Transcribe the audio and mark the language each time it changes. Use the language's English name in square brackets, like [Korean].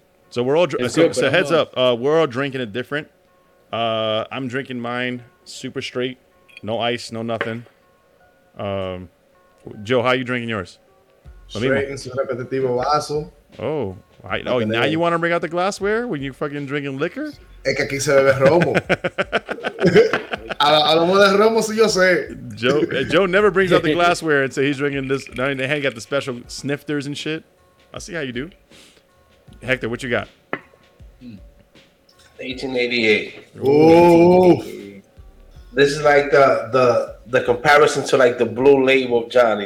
[English] So heads up. We're all drinking it different. I'm drinking mine super straight. No ice, no nothing. Joe, how are you drinking yours? Now you want to bring out the glassware when you fucking drinking liquor? [Spanish] Es que aquí se bebe romo. A lo mejor es romo si yo sé. [English] Joe never brings out the glassware and say he's drinking this. Now they ain't got the special snifters and shit. I see how you do. Hector, what you got? 1888. Ooh. This is like the comparison to like the blue label of Johnny.